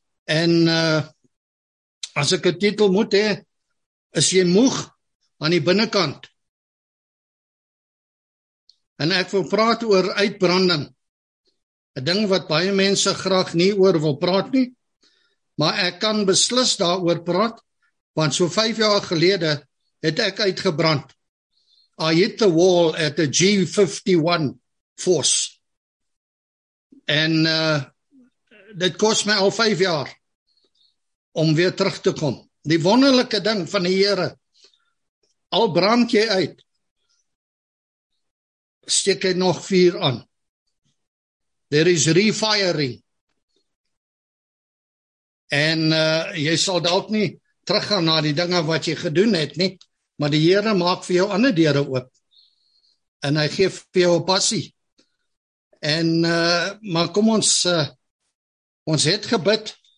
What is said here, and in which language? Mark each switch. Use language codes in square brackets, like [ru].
[af] En as ek 'n titel moet hê, is jy moeg aan die binnenkant. En ek wil praat oor uitbranding, 'n ding wat baie mense graag nie oor wil praat nie, maar ek kan beslis daaroor praat, want so 5 jaar gelede het ek uitgebrand. [en] I hit the wall at a G51 force. [af] En dit kost my al 5 jaar om weer terug te kom. Die wonderlike ding van die Here, al brand jy uit, steek hy nog 4 aan. [en] There is refiring. [af] En jy sal dalk nie teruggaan na die dinge wat jy gedoen het nie, maar die Here maak vir jou ander deure oop. En hy gee vir jou 'n passie. En maar kom ons, ons het gebid.